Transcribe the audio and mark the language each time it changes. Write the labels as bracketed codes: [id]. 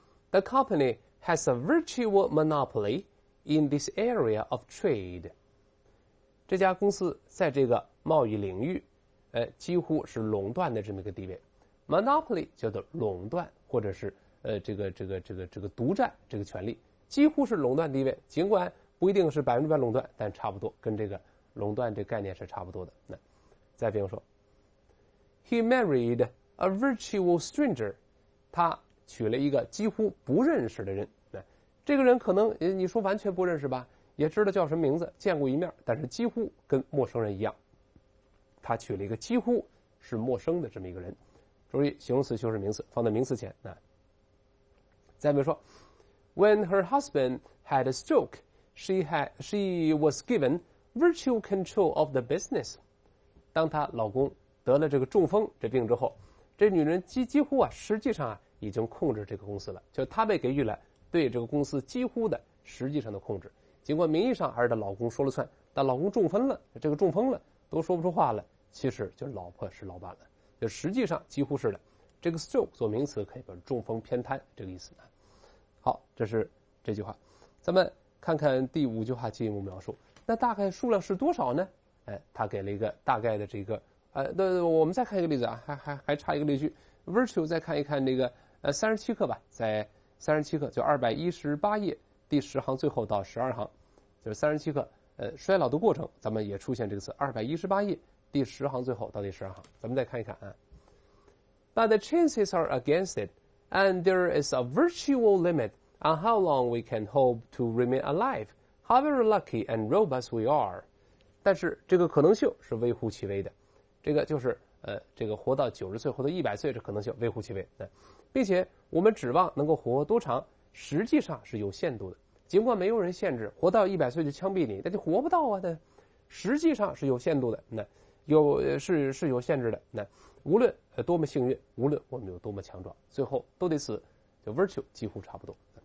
[en] The company has a virtual monopoly in this area of trade。 [zh] 这家公司在这个贸易领域，几乎是垄断的这么一个地位。 Monopoly 叫做垄断，或者是这个独占这个权利，几乎是垄断地位。尽管不一定是百分之百垄断，但差不多跟这个垄断这概念是差不多的。那再比如说 [en] He married a virtual stranger， [zh] 他娶了一个几乎不认识的人。这个人可能你说完全不认识吧，也知道叫什么名字，见过一面，但是几乎跟陌生人一样，他娶了一个几乎是陌生的这么一个人。注意形容词修饰名词，放在名词前。再比如说 [en] When her husband had a stroke， she was given virtual control of the business。 [zh] 当她老公得了这个中风这病之后，这女人几乎啊，实际上啊，已经控制这个公司了，就他被给予了对这个公司几乎的实际上的控制。尽管名义上还是老公说了算，但老公中风了，这个中风了都说不出话了，其实就是老婆是老板了，就实际上几乎是的。这个 stroke 做名词可以把中风偏瘫这个意思。好，这是这句话。咱们看看第五句话进一步描述，那大概数量是多少呢？哎，他给了一个大概的这个我们再看一个例子啊，还差一个例句。 Virtue 再看一看那个37课吧，在37课就218页第10行最后到12行，就是37课衰老的过程，咱们也出现这个词，218页第10行最后到第12行，咱们再看一看啊。 [en] But the chances are against it, and there is a virtual limit on how long we can hope to remain alive, however lucky and robust we are. [zh] 但是这个可能性是微乎其微的，这个就是这个活到90岁或者100岁这可能性微乎其微，并且我们指望能够活多长实际上是有限度的，尽管没有人限制活到100岁就枪毙你，那就活不到啊，那实际上是有限度的，那有是有限制的，那无论多么幸运，无论我们有多么强壮，最后都得死，就 virtue 几乎差不多。